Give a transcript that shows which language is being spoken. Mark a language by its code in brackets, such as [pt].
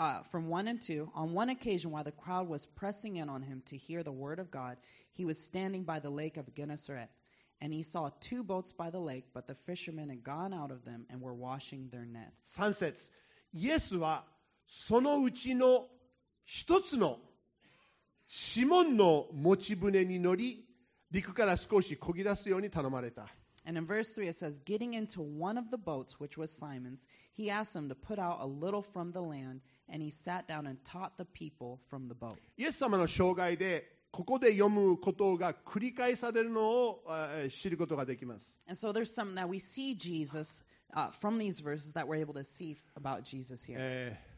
[en] From 1 and 2, on one occasion while the crowd was pressing in on him to hear the word of God, he was standing by the lake of Gennesaret. And he saw two boats by the lake, but the fishermen had gone out of them and were washing their nets. [ja] 3節、イエスはそのうちの一つのシモンの持ち船に乗り、陸から少し漕ぎ出すように頼まれた。 [en] And in verse 3 it says, Getting into one of the boats, which was Simon's, he asked him to put out a little from the land, and he sat down and taught the people from the boat. [ja] イエス様の生涯でここで読むことが繰り返されるのを知ることができます。 [en] And so there's something that we see Jesus, from these verses that we're able to see about Jesus here.